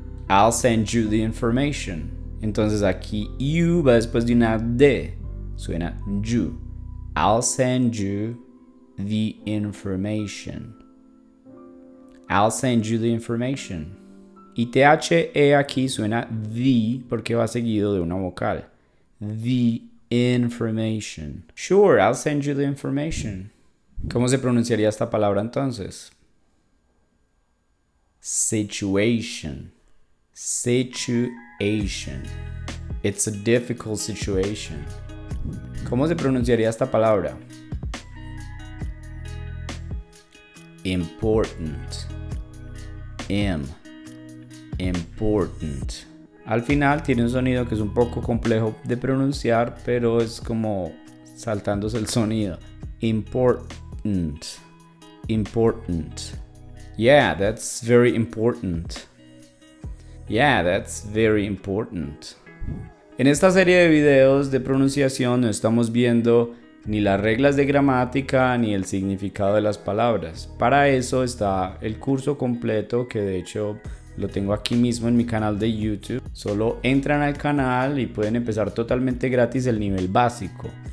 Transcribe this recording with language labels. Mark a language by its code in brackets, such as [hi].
[en] I'll send you the information. [es] Entonces aquí you va después de una D. Suena you. [en] I'll send you the information. I'll send you the information. [es] Y THE aquí suena the porque va seguido de una vocal. [en] The information. Sure, I'll send you the information. [es] ¿Cómo se pronunciaría esta palabra entonces? [en] Situation. Situation. It's a difficult situation. [es] ¿Cómo se pronunciaría esta palabra? [en] Important. M. Important. [es] Al final tiene un sonido que es un poco complejo de pronunciar, pero es como saltándose el sonido. [en] Important. Important. Yeah, that's very important. Yeah, that's very important. [es] En esta serie de videos de pronunciación no estamos viendo ni las reglas de gramática ni el significado de las palabras. Para eso está el curso completo que de hecho lo tengo aquí mismo en mi canal de YouTube. Solo entran al canal y pueden empezar totalmente gratis el nivel básico.